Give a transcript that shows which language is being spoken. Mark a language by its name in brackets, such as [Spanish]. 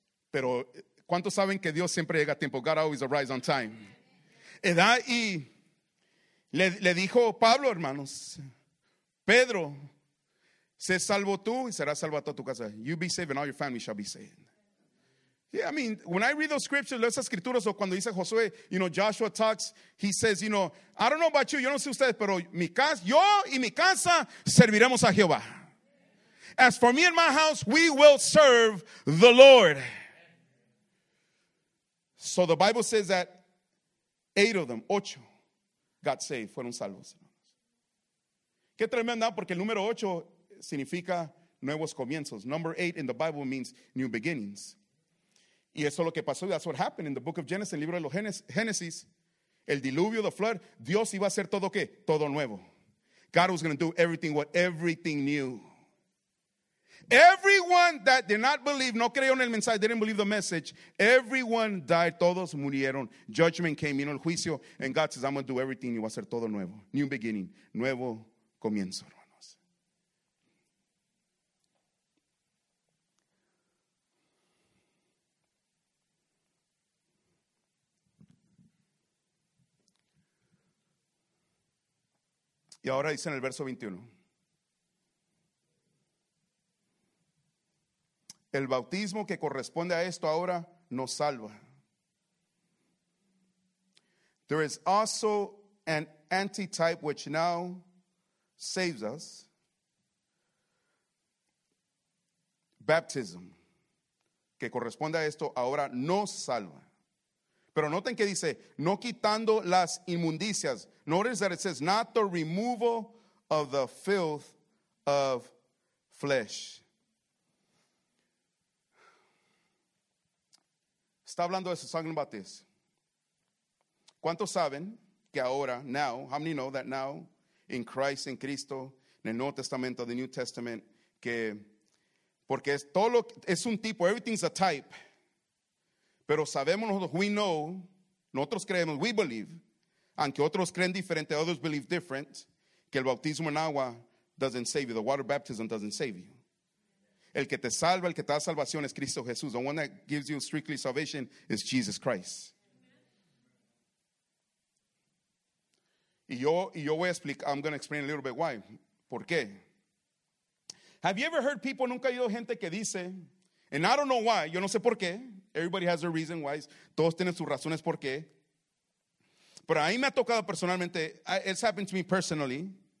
[Spanish] Pero, ¿cuántos saben que Dios siempre llega a tiempo? [English] God always arrives on time. [Spanish] Edad, y le dijo Pablo, hermanos, Pedro, se salvó tú y será salvado toda tu casa. [English] You be saved and all your family shall be saved. Yeah, I mean, when I read those scriptures, [Spanish] esas escrituras, o cuando dice Josué, [English] you know, Joshua talks, he says, you know, I don't know about you, [Spanish] yo no sé ustedes, pero mi casa, yo y mi casa serviremos a Jehová. [English] As for me and my house, we will serve the Lord. So the Bible says that 8 of them got saved, [Spanish] fueron salvos. Qué tremenda, porque el número 8 significa nuevos comienzos. [English] Number 8 in the Bible means new beginnings. [Spanish] Y eso es lo que pasó. [English] That's what happened in the book of Genesis, [Spanish] el libro de los Génesis. El diluvio, [English] the flood. [Spanish] Dios iba a hacer todo qué? Todo nuevo. [English] God was going to do everything, what? Everything new. Everyone that did not believe, [Spanish] no creyó en el mensaje, [English] didn't believe the message. Everyone died, [Spanish] todos murieron. [English] Judgment came, [Spanish] vino el juicio. [English] And God says, I'm going to do everything, [Spanish] iba a hacer todo nuevo. [English] New beginning, [Spanish] nuevo comienzo. Y ahora dice en el verso 21. El bautismo que corresponde a esto ahora nos salva. [English] There is also an antitype which now saves us. [Spanish] Baptism. Que corresponde a esto ahora nos salva. Pero noten que dice, no quitando las inmundicias. [English] Notice that it says, not the removal of the filth of flesh. [Spanish] Está hablando de eso, [English] talking about this. [Spanish] ¿Cuántos saben que ahora, [English] now, how many know that now, in Christ, in Cristo, [Spanish] en el Nuevo Testamento, [English] the New Testament, [Spanish] que, porque es todo lo, es un tipo, [English] everything's a type. [Spanish] Pero sabemos, [English] we know, [Spanish] nosotros creemos, [English] we believe, [Spanish] aunque otros creen diferente, [English] others believe different, [Spanish] que el bautismo en agua [English] doesn't save you. The water baptism doesn't save you. [Spanish] El que te salva, el que te da salvación es Cristo Jesús. [English] The one that gives you strictly salvation is Jesus Christ. [Spanish] Y yo voy a explicar, [English] I'm going to explain a little bit why. [Spanish] ¿Por qué? [English] Have you ever heard people, [Spanish] nunca he oído gente que dice, [English] and I don't know why, [Spanish] yo no sé por qué, [English] everybody has their reason why, [Spanish] todos tienen sus razones por qué, pero a mí me ha tocado personalmente, [English] it's happened to me personally,